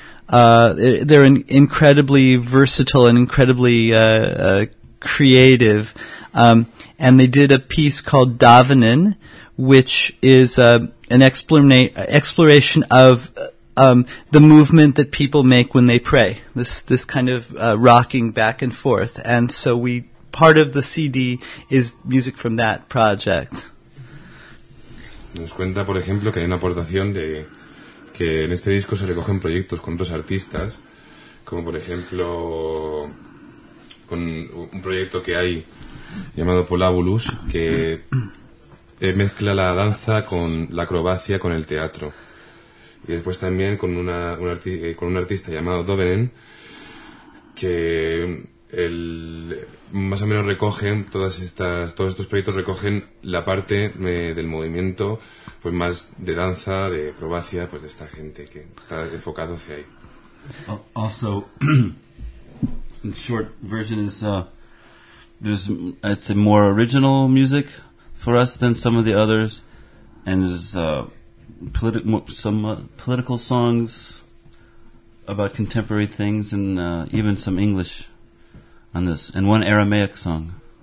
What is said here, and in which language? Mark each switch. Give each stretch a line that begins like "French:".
English: They're incredibly versatile and incredibly creative, and they did a piece called Davenin, which is an exploration of the movement that people make when they pray. This kind of rocking back and forth, and so part of the CD is music from that project.
Spanish: Nos cuenta, por ejemplo, que hay una aportación de que en este disco se recogen proyectos con otros artistas, como por ejemplo con un proyecto que hay llamado Palabolas, que mezcla la danza con la acrobacia, con el teatro, y después también con un artista llamado Dovenen, que más o menos recogen todos estos proyectos recogen la parte del movimiento pues más de danza, de acrobacia, pues de esta gente que está enfocado hacia ahí.
English: Also, in short version is it's a more original music for us than some of the others, and is political songs about contemporary things, and even some English on this, and one Aramaic song.